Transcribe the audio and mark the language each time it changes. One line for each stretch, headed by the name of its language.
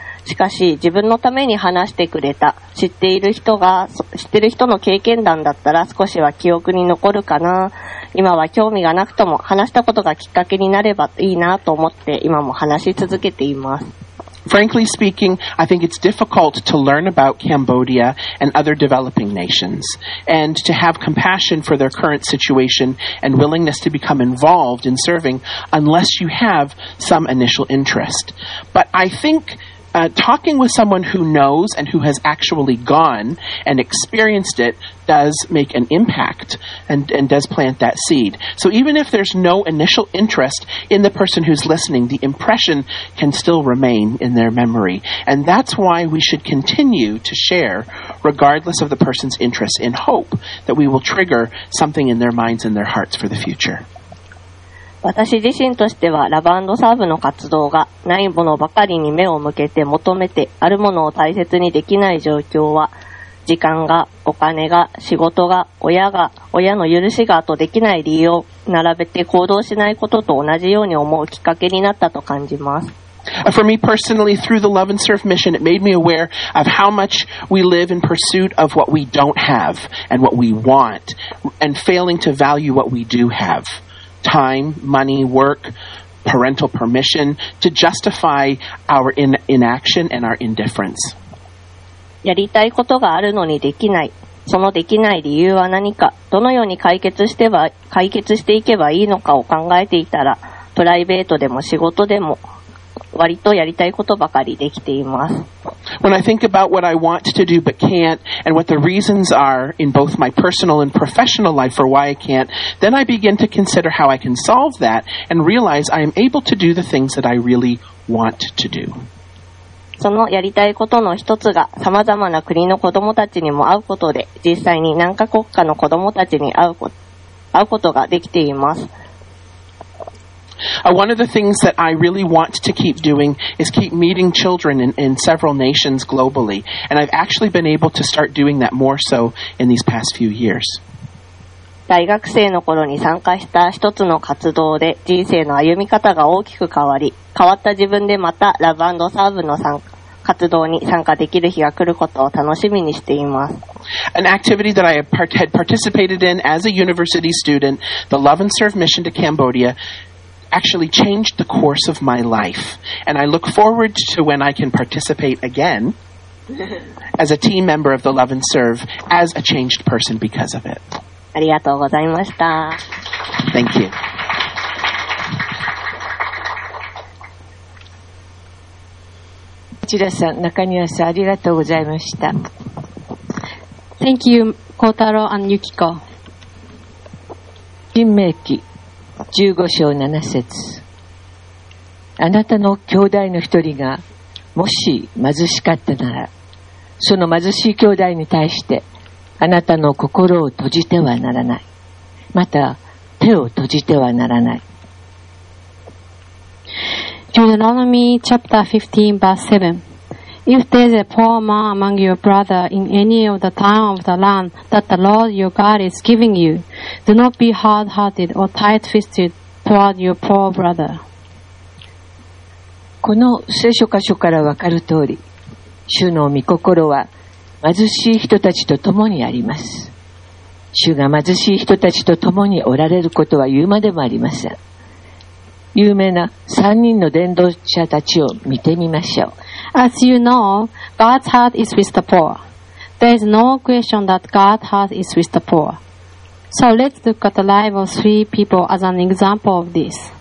Japanese: しかし、自分のために話してくれた、知ってる人の経験談だったら少しは記憶に残るかな。今は興味がなくとも話したことがきっかけになればいいなと思って今も話し続けています。
English: Frankly speaking, I think it's difficult to learn about Cambodia and other developing nations and to have compassion for their current situation and willingness to become involved in serving unless you have some initial interest. But I think talking with someone who knows and who has actually gone and experienced it does make an impact and does plant that seed. So even if there's no initial interest in the person who's listening, the impression can still remain in their memory. And that's why we should continue to share regardless of the person's interest in hope that we will trigger something in their minds and their hearts for the future.
Japanese: 私自身としてはラブ&サーブの活動がないものばかりに目を向けて求めてあるものを大切にできない状況は時間がお金が仕事が親の許しがあとできない理由を並べて行動しないことと同じように思うきっかけになったと感じます。
English: For me personally, through the Love and Serve mission, it made me aware of how much we live in pursuit of what we don't have and what we want and failing to value what we do have. Time, money, work, parental permission to justify our inaction and our indifference.
Japanese: やりたいことがあるのにできない。そのできない理由は何か、どのように解決していけばいいのかを考えていたら、プライベートでも仕事でも割とやりたいことばかりできています。
English: When I think about what I want to do but can't and what the reasons are in both my personal and professional life for why I can't, then I begin to consider how I can solve that and realize I am able to do the things that I really want to do.
Japanese: そのやりたいことの一つが様々な国の子どもたちにも会うことで、実際に何カ国かの子どもたちに会うことができています。
English: One of the things that I really want to keep doing is keep meeting children in several nations globally. And I've actually been able to start doing that more so in these past few years.
Japanese: 大学生の頃に参加した一つの活動で人生の歩み方が大きく変わり、変わった自分でまたラブ&サーブの活動に参加できる日が来ることを楽しみにしています。
English: An activity that I had participated in as a university student, the Love and Serve Mission to Cambodia,actually changed the course of my life. And I look forward to when I can participate again as a team member of the Love and Serve as a changed person because of it.
Japanese: ありがとうございました。
English: Thank you.
Japanese: 内田さん、中庭さん、ありがとうございました。
English: Thank you, 孝太郎 and Yukiko.
Japanese: 申命記15章7節。あなたの兄弟の一人が、もし貧しかったなら、その貧しい兄弟に対して、あなたの心を閉じてはならない。また、手を閉じてはならない。
English: Deuteronomy chapter 15 verse 7. If there is a poor man among your brother in any of the towns of the land that the Lord your God is giving you, do not be hard-hearted or tight-fisted toward your poor brother.
Japanese: この聖書箇所からわかる通り、主の御心は貧しい人たちと共にあります。主が貧しい人たちと共におられることは言うまでもありません。有名な三人の伝道者たちを見てみましょう。
English: As you know, God's heart is with the poor. There is no question that God's heart is with the poor. So let's look at the life of three people as an example of this.